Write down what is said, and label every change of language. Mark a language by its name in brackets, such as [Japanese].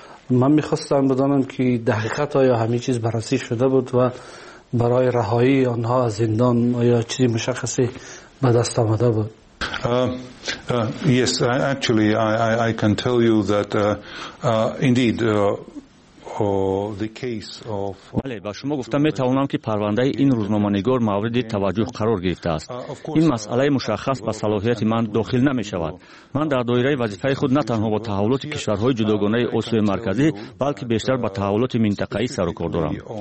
[Persian] من میخواستم بدانم که دقیقاً آیا همه چیز بررسی شده بود و برای رهایی آنها از زندان آیا چیزی مشخصی به دست آمده بود؟ [English] Yes, actually, I can tell you that indeed the case of. [Persian] بله، با شما گفتم می‌توانم که پرونده این روزنامه‌نگار مورد توجه قرار گرفته است. این مسئله مشخص با صلاحیت من داخل نمی‌شود. من در دایره وظیفه خود نه تنها با تحولات کشورهای جداگانه اصول مرکزی، بلکه بیشتر با تحولات منطقه‌ای سر و کار دارم.